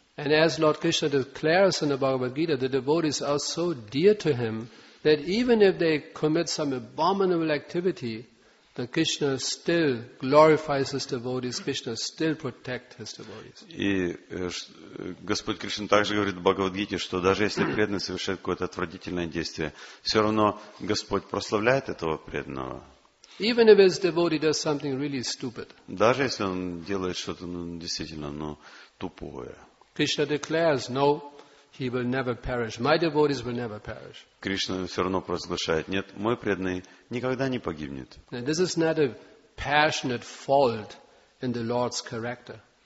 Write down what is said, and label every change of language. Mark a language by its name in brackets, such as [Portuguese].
[English] And as Lord Krishna declares in the Bhagavad Gita, the devotees are so dear to him that even if they commit some abominable activity, the Krishna still glorifies his devotees, Krishna still protects his devotees. [Russian] И Господь Кришна также говорит в Бхагавад Гите, что даже если преданный совершает какое-то отвратительное действие, все равно Господь прославляет этого преданного. [English] Even if his devotee does something really stupid. [Russian] Даже если он делает что-то действительно, но тупое. [English] Krishna declares, no, he will never perish. My devotees will never perish. [Russian] Кришна все равно провозглашает, нет, мой преданный никогда не погибнет. [English] Now, this is not a passionate fault in the Lord's character.